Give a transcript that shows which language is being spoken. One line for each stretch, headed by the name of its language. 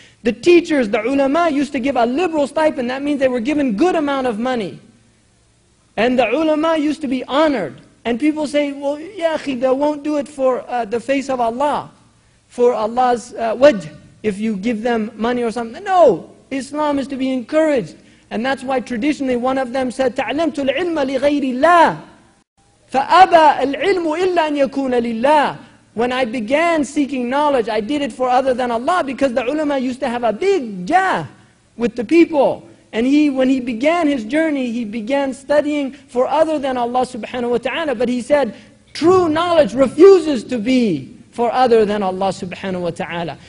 English: The teachers, the ulama, used to give a liberal stipend. That means they were given good amount of money. And the ulama used to be honored. And people say, "Well,
Arabic: ya akhi,
English: they won't do it for the face of Allah, for Allah's wajh, if you give them money or something." No, Islam is to be encouraged. And that's why traditionally one of them said,
Arabic: "تَعْلَمْتُ الْعِلْمَ لِغَيْرِ اللَّهِ فَأَبَى الْعِلْمُ إِلَّا أَنْ يَكُونَ لِلَّهِ."
English: When I began seeking knowledge, I did it for other than Allah, because the ulama used to have a big jah with the people. And he, when he began his journey, he began studying for other than Allah subhanahu wa ta'ala. But he said, true knowledge refuses to be for other than Allah subhanahu wa ta'ala.